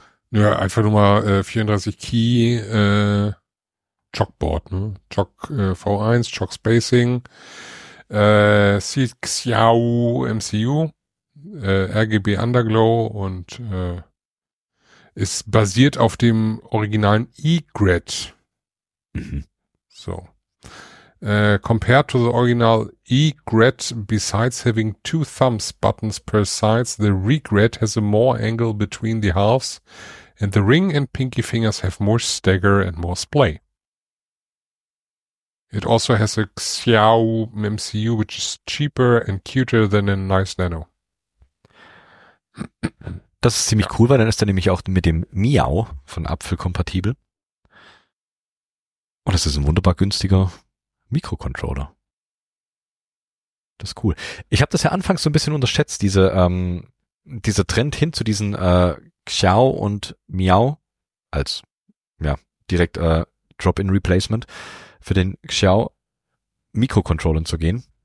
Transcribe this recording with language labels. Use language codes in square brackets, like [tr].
[de] Ja, einfach nur mal 34 Key Chalkboard, ne? Chalk V1, Chalk Spacing, Xiao MCU, RGB Underglow und ist basiert auf dem originalen E-Grid. Mhm. So. [en] Compared to the original E-Grid, besides having two thumbs buttons per side, the Regret has a more angle between the halves and the ring and pinky fingers have more stagger and more splay. It also has a Xiao MCU, which is cheaper and cuter than a nice Nano. [de] Das ist ziemlich cool, weil dann ist er nämlich auch mit dem Miau von Apfel kompatibel. Und das ist ein wunderbar günstiger Mikrocontroller. Das ist cool. Ich habe das ja anfangs so ein bisschen unterschätzt, dieser Trend hin zu diesen Xiao und Miau als direkt Drop-in-Replacement für den Xiao Mikrocontroller zu gehen.